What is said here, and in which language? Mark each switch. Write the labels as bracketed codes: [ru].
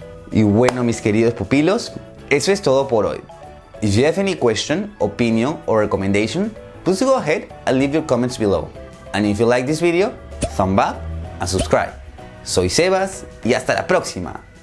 [es] Y bueno, mis queridos pupilos, eso es todo por hoy. [en] If you have any question, opinion, or recommendation, please go ahead and leave your comments below. And if you like this video, thumb up and subscribe. [es] Soy Sebas y hasta la próxima.